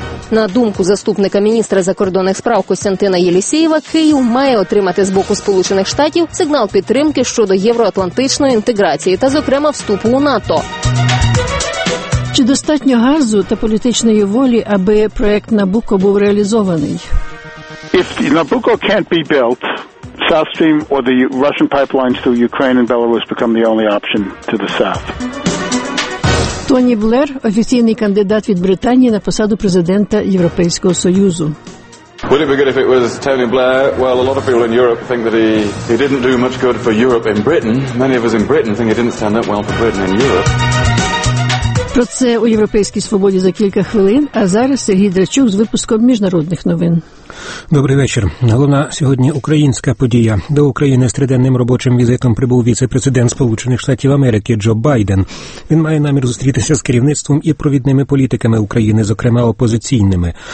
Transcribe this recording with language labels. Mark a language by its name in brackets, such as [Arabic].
[Ukrainian] На думку заступника міністра закордонних справ Костянтина Єлісєєва, Київ має отримати з боку Сполучених Штатів сигнал підтримки щодо євроатлантичної інтеграції та, зокрема, вступу у НАТО. Чи достатньо газу та політичної волі, аби проект Набуко був реалізований? [English] If Nabucco can't be built, South Stream or the Russian pipelines through Ukraine and Belarus become the only option to the south. [Ukrainian] Тоні Блер – офіційний кандидат від Британії на посаду президента Європейського Союзу. [English] Would it be good if it was Tony Blair? Well, a lot of people in Europe think that he didn't do much good for Europe in Britain. Many of us in Britain think he didn't stand up well for Britain in Europe. [Ukrainian] Про це у Європейській свободі за кілька хвилин, а зараз Сергій Драчук з випуском міжнародних новин. Добрий вечір. Головна сьогодні українська подія. До України з триденним робочим візитом прибув віце-президент Сполучених Штатів Америки Джо Байден. Він має намір зустрітися з керівництвом і провідними політиками України, зокрема опозиційними.